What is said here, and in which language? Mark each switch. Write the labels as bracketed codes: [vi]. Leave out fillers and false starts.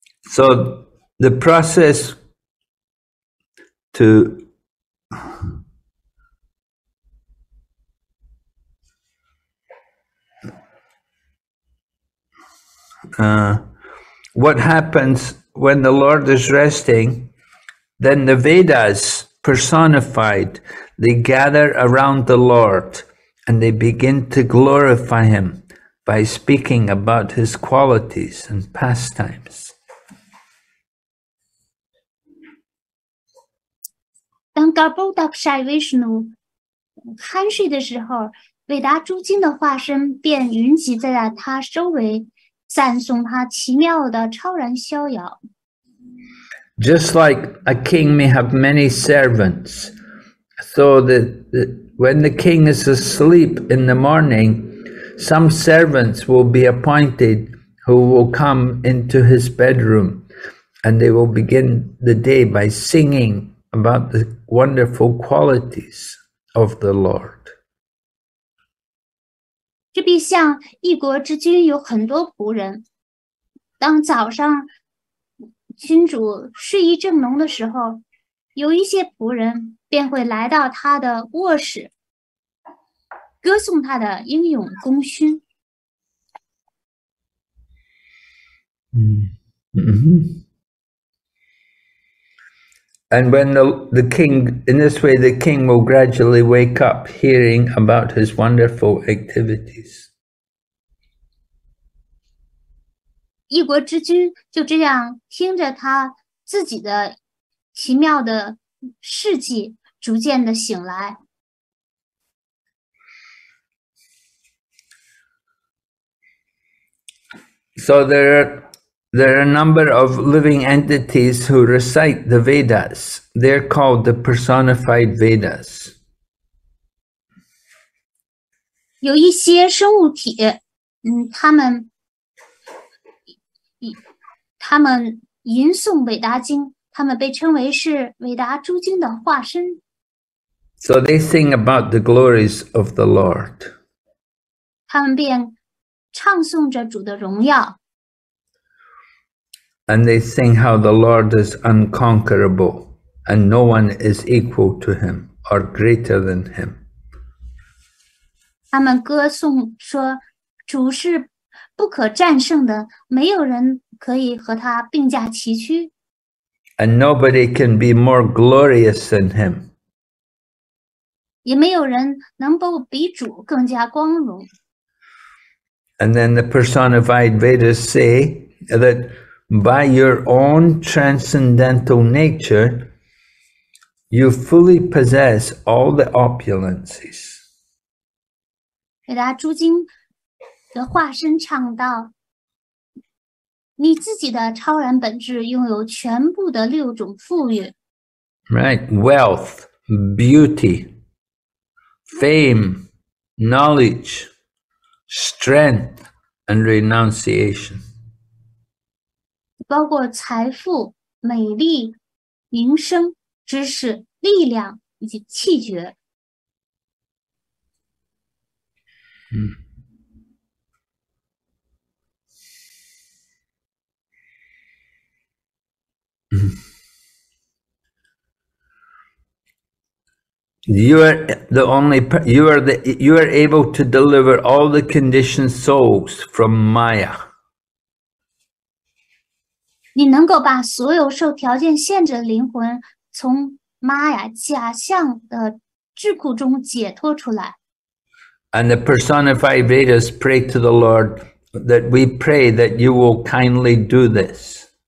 [en] So the process to what happens when the Lord is resting, then the Vedas personified, they gather around the Lord and they begin to glorify him by speaking about his qualities and pastimes. [zh] 当 Garbhodakshayi Vishnu 酣睡的时候，伟达诸经的化身便云集在了他周围，赞颂他奇妙的超然逍遥。 [en] Just like a king may have many servants, so that when the king is asleep in the morning, some servants will be appointed who will come into his bedroom, and they will begin the day by singing about the wonderful qualities of the Lord. [zh] 这必像一国之君有很多仆人，当早上君主睡意正浓的时候，有一些仆人便会来到他的卧室，歌颂他的英勇功勋。 [en] And when the king, in this way, the king will gradually wake up, hearing about his wonderful activities. [zh] 一国之君就这样听着他自己的奇妙的事迹，逐渐的醒来。 [en] So there are a number of living entities who recite the Vedas. They're called the personified Vedas. [zh] 有一些生物体，他们吟诵韦达经，他们被称为是韦达诸经的化身。 [en] So they sing about the glories of the Lord. [zh] 他们便唱诵着主的荣耀。 [en] And they sing how the Lord is unconquerable, and no one is equal to him or greater than him. [zh] 他们歌颂说，主是不可战胜的，没有人可以和他并驾齐驱。 [en] And nobody can be more glorious than him. [zh] 也没有人能够比主更加光荣。 [en] And then the personified Vedas say that by your own transcendental nature, you fully possess all the opulences. [zh] 伟达诸经的化身唱道，你自己的超然本质拥有全部的六种富裕。 [en] Right, wealth, beauty, fame, knowledge, strength, and renunciation. [zh] 包括财富、美丽、名声、知识、力量以及气绝。 [en] You are able to deliver all the conditioned souls from Maya. [zh] 你能够把所有受条件限制的灵魂从玛雅假象的桎梏中解脱出来。 [en] And the personified Vedas pray to the Lord that we pray that you will kindly do this.